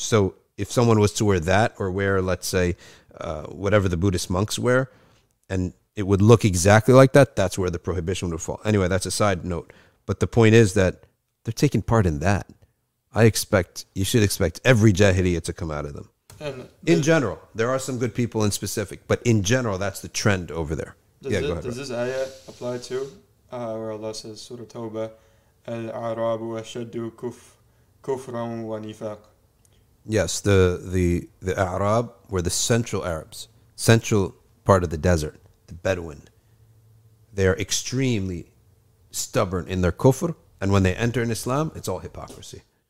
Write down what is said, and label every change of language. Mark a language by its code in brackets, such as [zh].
[en] So if someone was to wear that, or wear, let's say, whatever the Buddhist monks wear, and it would look exactly like that, that's where the prohibition would fall. Anyway, that's a side note. But the point is that they're taking part in that. You should expect every Jahiliyyah to come out of them. And in general, there are some good people in specific, but in general, that's the trend over there. Does this ayah apply too? Where Allah says, Surah Tawbah, [ar] الأعراب وشدوا كفرا ونفاق. [en] Yes, the Arab were the central Arabs, central part of the desert, the Bedouin. They are extremely stubborn in their kufr, and when they enter in Islam, it's all hypocrisy.